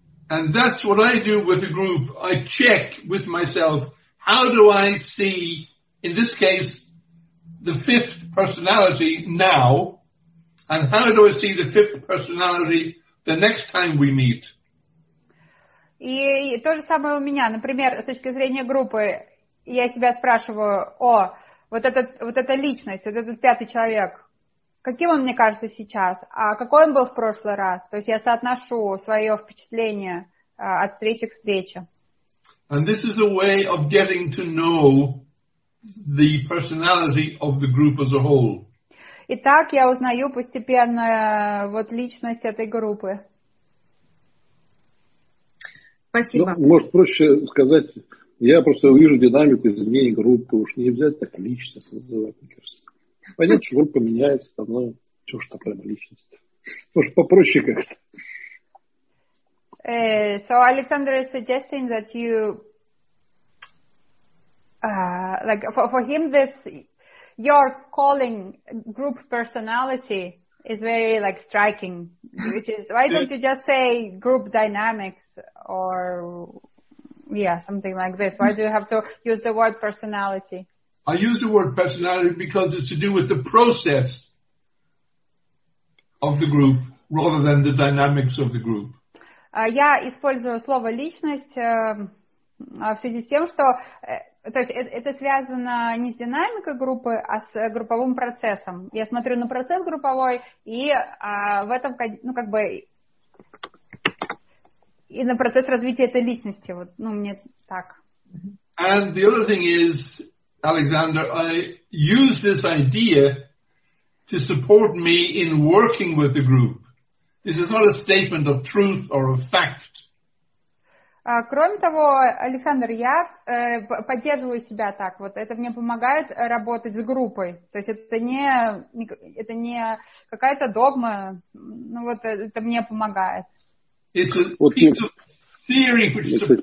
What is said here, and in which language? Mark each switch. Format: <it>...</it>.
<en>And that's what I do with a group. I check with myself, how do I see, in this case, the fifth personality now, and how do I see the fifth personality the next time we meet?</en> <ru>И то же самое у меня. Например, с точки зрения группы, я себя спрашиваю, о, вот эта личность, вот этот пятый человек, каким он мне кажется сейчас, а какой он был в прошлый раз? То есть я соотношу свое впечатление от встречи к встрече.</ru> <en>And this is a way of getting to know the personality of the group as a whole.</en> <ru>И так я узнаю постепенно вот личность этой группы. Спасибо. Ну, может, проще сказать, я просто вижу динамику изменений группы, уж нельзя так личность называть, мне кажется. Понятно, что группа меняется, там, ну, что ж такое личность. Может, попроще как-то.</ru> <en>So, Alexander is suggesting that you like, for him, this your calling group personality is very like striking. Which is why don't you just say group dynamics or yeah something like this? Why do you have to use the word personality? I use the word personality because it's to do with the process of the group rather than the dynamics of the group.</en> <ru>Я использую слово личность в связи с тем, что то есть это связано не с динамикой группы, а с групповым процессом. Я смотрю на процесс групповой, и в этом, ну, как бы, и на процесс развития этой личности. Вот, ну, мне так.</ru> <en>And the other thing is, Alexander, I use this idea to support me in working with the group. This is not a statement of truth or of fact.</en> <ru>Кроме того, Александр, я поддерживаю себя так. Вот это мне помогает работать с группой. То есть это не какая-то догма. Ну вот это мне помогает. Это</ru>